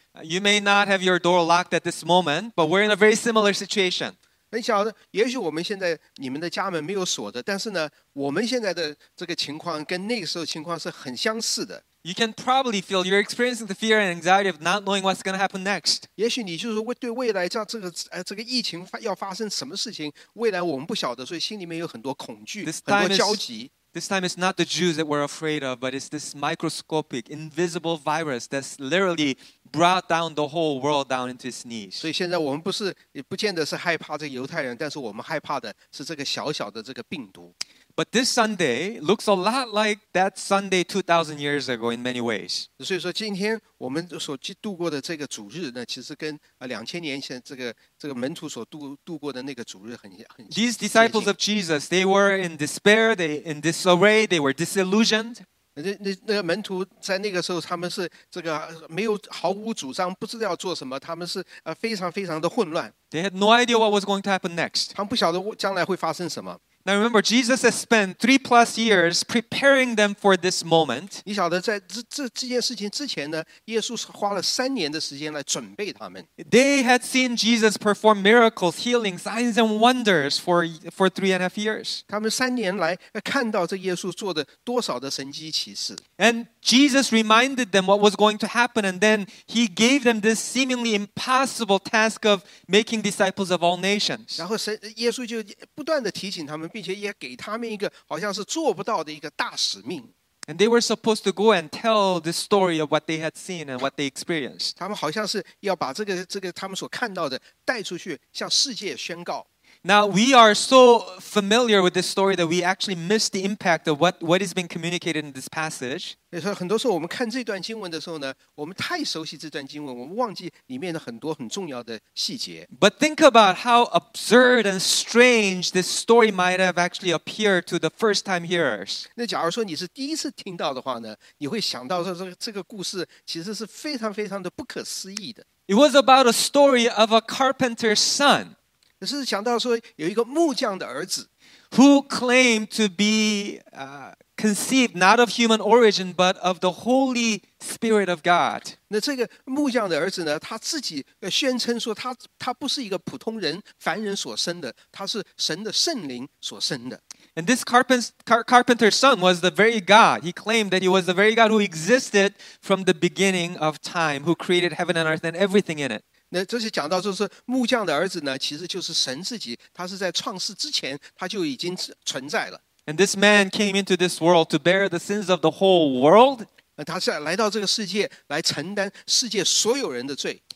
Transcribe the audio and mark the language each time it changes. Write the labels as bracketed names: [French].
[English] You may not have your door locked at this moment, but we're in a very similar situation. [Chinese] 你晓得，也许我们现在你们的家门没有锁着，但是呢，我们现在的这个情况跟那个时候情况是很相似的。 [English] You can probably feel you're experiencing the fear and anxiety of not knowing what's going to happen next. [Chinese] 也许你就是对未来这个疫情要发生什么事情，未来我们不晓得，所以心里面有很多恐惧，很多焦急。 [English] This time it's not the Jews that we're afraid of, but it's this microscopic, invisible virus that's literally brought down the whole world down into its knees. [Chinese] 所以现在我们不见得是害怕这个犹太人，但是我们害怕的是这个小小的这个病毒。 [English] But this Sunday looks a lot like that Sunday 2,000 years ago in many ways. [Chinese] 所以说今天我们所度过的这个主日呢，其实跟2000年前这个门徒所度过的那个主日很。 [English] These disciples of Jesus, they were in despair, they in disarray, they were disillusioned. [Chinese] 那个门徒在那个时候，他们是这个没有毫无主张，不知道要做什么，他们是非常非常的混乱。 [English] They had no idea what was going to happen next. [Chinese] 他们不晓得将来会发生什么。 [English] Now remember, Jesus has spent 3+ years preparing them for this moment. [Chinese] 你晓得在这件事情之前呢，耶稣是花了3年的时间来准备他们。 [English] They had seen Jesus perform miracles, healing, signs, and wonders for 3.5 years. [Chinese] 他们3年来看到这耶稣做的多少的神迹奇事。 [English] And Jesus reminded them what was going to happen, and then he gave them this seemingly impossible task of making disciples of all nations. [Chinese] 然后耶稣就不断地提醒他们。并且也给他们一个好像是做不到的一个大使命。 [English] And they were supposed to go and tell the story of what they had seen and what they experienced. [Chinese] 他们好像是要把这个他们所看到的带出去，向世界宣告。 [English] Now we are so familiar with this story that we actually miss the impact of what is being communicated in this passage. [Chinese] 所以很多时候我们看这段经文的时候呢，我们太熟悉这段经文，我们忘记里面的很多很重要的细节。 [English] But think about how absurd and strange this story might have actually appeared to the first time hearers. [Chinese] 那假如说你是第一次听到的话呢，你会想到说这个故事其实是非常非常的不可思议的。 [English] It was about a story of a carpenter's son. [Chinese] 是想到说有一个木匠的儿子 [English] who claimed to be conceived not of human origin but of the Holy Spirit of God. [Chinese] 那这个木匠的儿子呢，他自己宣称说他不是一个普通人凡人所生的，他是神的圣灵所生的。 [English] And this carpenter's son was the very God. He claimed that he was the very God who existed from the beginning of time, who created heaven and earth and everything in it. [Chinese] 那这些讲到就是木匠的儿子呢，其实就是神自己，他是在创世之前他就已经存在了。 [English] And this man came into this world to bear the sins of the whole world. [Chinese] 他是来到这个世界来承担世界所有人的罪。